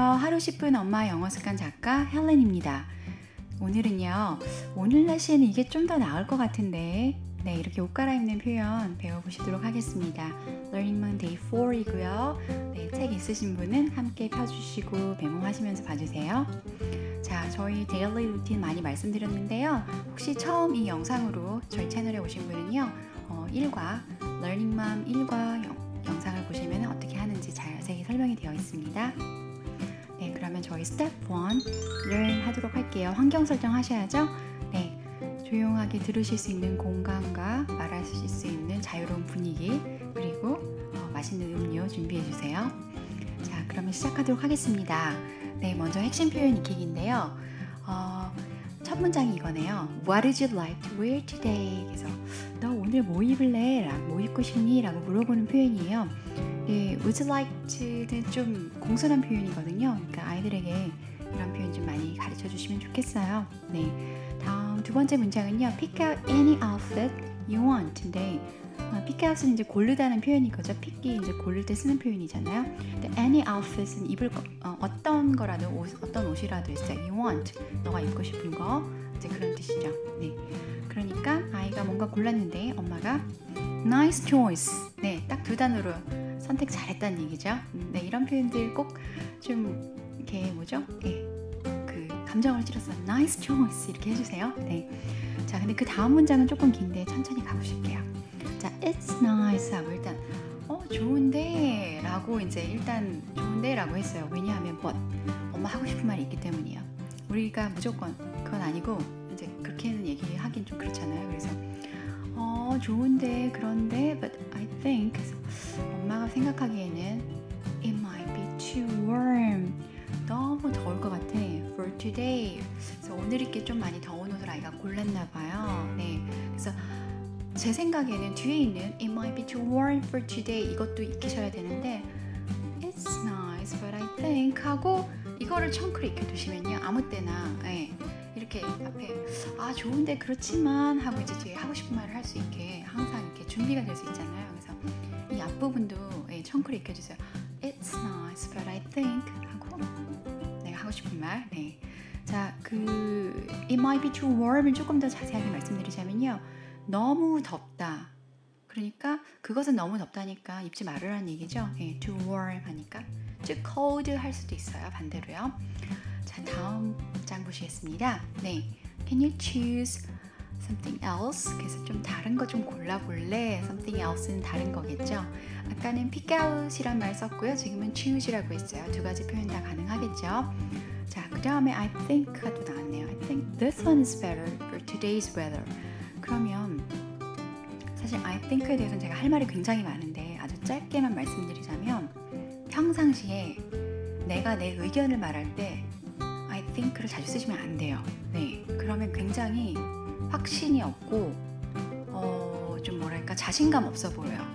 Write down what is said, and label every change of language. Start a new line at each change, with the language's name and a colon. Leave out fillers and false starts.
Korean: 하루 10분 엄마 영어습관 작가 헬렌입니다. 오늘은요, 오늘 날씨에는 이게 좀 더 나을 것 같은데 네, 이렇게 옷 갈아입는 표현 배워보시도록 하겠습니다.
English: Learning Monday 4이고요.
Korean: 네, 책 있으신 분은 함께 펴주시고 메모하시면서 봐주세요. 자, 저희 데일리 루틴 많이 말씀드렸는데요. 혹시 처음 이 영상으로 저희 채널에 오신 분은요, 1과 Learning Mom 1과 영상을 보시면 어떻게 하는지 자세히 설명이 되어 있습니다. 네, 그러면 저희 스텝 1을 하도록 할게요. 환경 설정 하셔야죠. 네, 조용하게 들으실 수 있는 공간과 말하실 수 있는 자유로운 분위기, 그리고 맛있는 음료 준비해 주세요. 자, 그러면 시작하도록 하겠습니다. 네, 먼저 핵심 표현 익히기인데요. 첫 문장이 이거네요.
English: What is you like to wear today?
Korean: 그래서 너 오늘 뭐 입을래? 뭐 입고 싶니? 라고 물어보는 표현이에요. 네,
English: would you like to
Korean: 는 좀 공손한 표현이거든요. 그러니까 아이들에게 이런 표현 좀 많이 가르쳐 주시면 좋겠어요. 네, 다음 두 번째 문장은요.
English: Pick out any outfit you want.
Korean: 근데
English: pick out
Korean: 은 이제 고르다는 표현인 거죠. Pick이 이제 고를 때 쓰는 표현이잖아요. 근데
English: any outfit
Korean: 은 입을 거, 어떤 거라도 옷, 어떤 옷이라도 있어요.
English: You want,
Korean: 너가 입고 싶은 거, 이제 그런 뜻이죠. 네. 그러니까 아이가 뭔가 골랐는데 엄마가
English: nice choice.
Korean: 네, 딱 두 단어로 선택 잘했다는 얘기죠. 네, 이런 표현들 꼭 좀 이렇게 뭐죠? 네, 그 감정을 찔러서
English: nice choice
Korean: 이렇게 해주세요. 네. 자, 근데 그 다음 문장은 조금 긴데 천천히 가보실게요. 자,
English: it's nice
Korean: 하고 일단 좋은데 라고 이제 일단 좋은데 라고 했어요. 왜냐하면 but 엄마 하고 싶은 말이 있기 때문이에요. 우리가 무조건 그건 아니고 이제 그렇게는 얘기하긴 좀 그렇잖아요. 그래서 좋은데 그런데
English: but I think
Korean: 엄마가 생각하기에는
English: it might be too warm,
Korean: 너무 더울 것 같아
English: for today.
Korean: 그래서 오늘 이렇게 좀 많이 더운 옷을 아이가 골랐나 봐요. 네, 그래서 제 생각에는 뒤에 있는
English: it might be too warm for today
Korean: 이것도 익히셔야 되는데
English: it's nice but I think
Korean: 하고 이거를 청크로 익혀두시면요 아무 때나 네, 이렇게 앞에 아 좋은데 그렇지만 하고 이제 뒤에 하고 싶은 말을 할 수 있게 항상 이렇게 준비가 될 수 있잖아요. 그래서 이 앞부분도 네, 청크로 익혀주세요.
English: it's nice but I think
Korean: 하고 내가 하고 싶은 말. 네, 자, 그
English: it might be too warm
Korean: 을 조금 더 자세하게 말씀드리자면요, 너무 덥다. 그러니까 그것은 너무 덥다니까 입지 말으라는 얘기죠. 네,
English: too warm
Korean: 하니까
English: too cold
Korean: 할 수도 있어요. 반대로요. 자, 다음 장 보시겠습니다.
English: 네, can you choose something else?
Korean: 그래서 좀 다른 거 좀 골라볼래?
English: something else
Korean: 는 다른 거겠죠. 아까는 pick out이란 말 썼고요. 지금은 choose이라고 했어요. 두 가지 표현 다 가능하겠죠. 자, 그 다음에 I think가 또 나왔네요.
English: I think this one is better for today's weather.
Korean: 그러면 사실 I think에 대해서는 제가 할 말이 굉장히 많은데 아주 짧게만 말씀드리자면 평상시에 내가 내 의견을 말할 때 I think를 자주 쓰시면 안 돼요. 네, 그러면 굉장히 확신이 없고 좀 뭐랄까 자신감 없어 보여요.